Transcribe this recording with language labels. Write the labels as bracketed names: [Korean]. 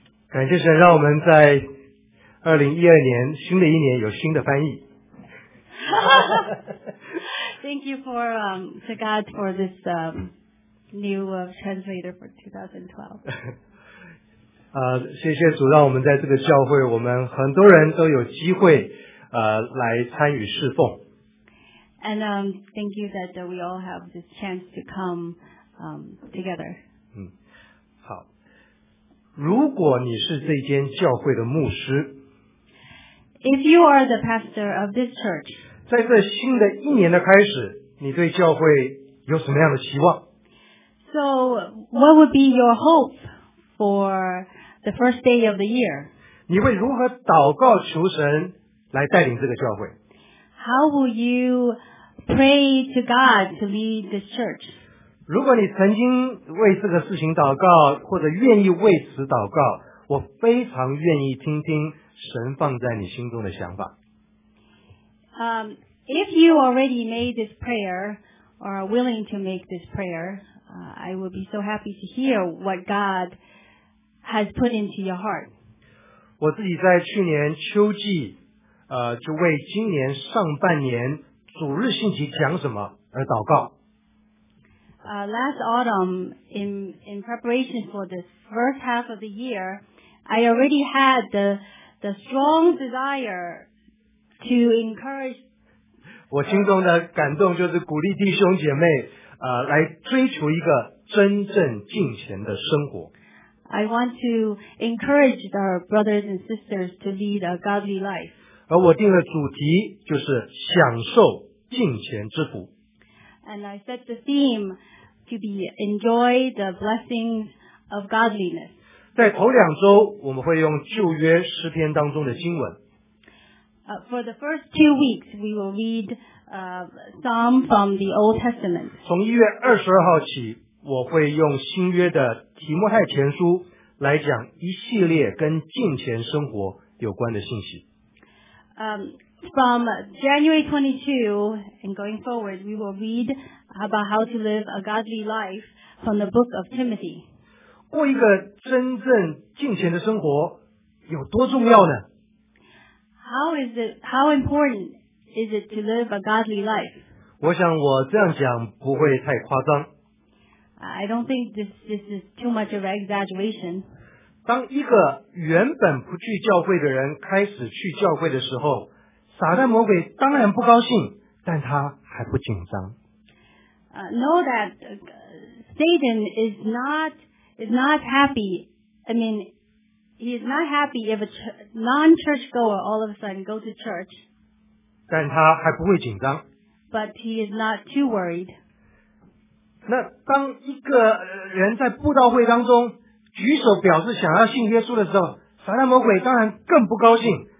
[Chinese] 感谢神，让我们在2012年新的一年有新的翻译。 [English] Thank you for to God for this new translator for 2012. [Chinese] 谢谢主，让我们在这个教会，我们很多人都有机会来参与侍奉。 [English] And thank you that we all have this chance to come together. [Chinese] 好。如果你是这间教会的牧师， [English] If you are the pastor of this church, [Chinese] 在这新的一年的开始，你对教会有什么样的期望？ [English] So what would be your hope for the first day of the year? [Chinese] 你会如何祷告求神来带领这个教会？ [English] How will you pray to God to lead this church? [Chinese] 如果你曾经为这个事情祷告，或者愿意为此祷告，我非常愿意听听神放在你心中的想法。 [English] If you already made this prayer or are willing to make this prayer, I would be so happy to hear what God has put into your heart. [Chinese] 我自己在去年秋季就为今年上半年主日信息讲什么而祷告。 [English] Last autumn, in preparation for this first half of the year, I already had the strong desire to encourage. [Chinese] 我心中的感动就是鼓励弟兄姐妹来追求一个真正敬虔的生活。 [English] I want to encourage our brothers and sisters to lead a godly life. [Chinese] 而我定的主题就是享受敬虔之福。 [English] And I set the theme. To be enjoy the blessings of godliness. [Chinese] 在头两周，我们会用旧约诗篇当中的经文。 [English] For the first two weeks, we will read Psalm from the Old Testament. [Chinese] 从1月22号起，我会用新约的提摩太前书来讲一系列跟敬虔生活有关的信息。 [English] From January 22 and going forward, we will read about how to live a godly life from the book of Timothy. [Chinese] 过一个真正敬虔的生活有多重要呢？ [English] How important is it to live a godly life? [Chinese] 我想我这样讲不会太夸张。 [English] I don't think this is too much of an exaggeration. [Chinese] 当一个原本不去教会的人开始去教会的时候，撒旦魔鬼当然不高兴，但他还不紧张。 [English] Know that Satan is not happy. I mean, he is not happy if a non-church goer all of a sudden go to church. [Chinese] 但他还不会紧张。 [English] But he is not too worried. [Chinese] 那当一个人在布道会当中举手表示想要信耶稣的时候，撒旦魔鬼当然更不高兴。